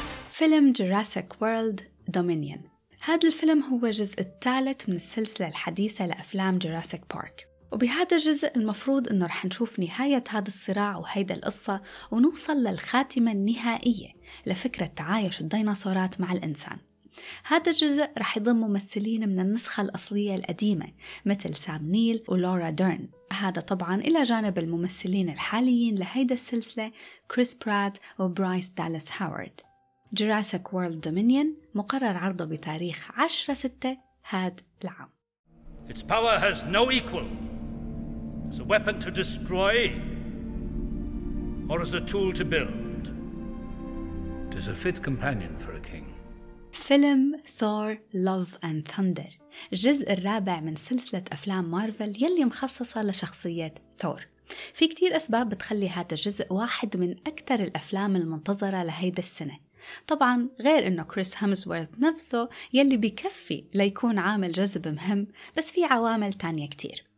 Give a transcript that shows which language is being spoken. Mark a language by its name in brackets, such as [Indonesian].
[Arabic] فيلم Jurassic World Dominion. هذا الفيلم هو جزء الثالث من السلسلة الحديثة لأفلام Jurassic Park. وبهذا الجزء المفروض إنه رح نشوف نهاية هذا الصراع وهيدا القصة ونوصل للخاتمة النهائية لفكرة تعايش الديناصورات مع الإنسان. هذا الجزء رح يضم ممثلين من النسخة الأصلية القديمة مثل سام نيل ولورا ديرن، هذا طبعاً إلى جانب الممثلين الحاليين لهيدا السلسلة كريس برات وبرايس دالاس هاورد. جوراسيك وورلد دومينيون مقرر عرضه بتاريخ 10/6 هذا العام. [English] Its power has no equal as a weapon to destroy or as a tool to build. It is a fit companion for a king. [Arabic] فيلم Thor Love and Thunder، الجزء الرابع من سلسلة أفلام مارفل يلي مخصصة لشخصية ثور. في كتير أسباب بتخلي هذا الجزء واحد من أكثر الأفلام المنتظرة لهيدا السنة، طبعا غير انه كريس هامزورث نفسه يلي بكفي ليكون عامل جذب مهم، بس في عوامل تانية كتير.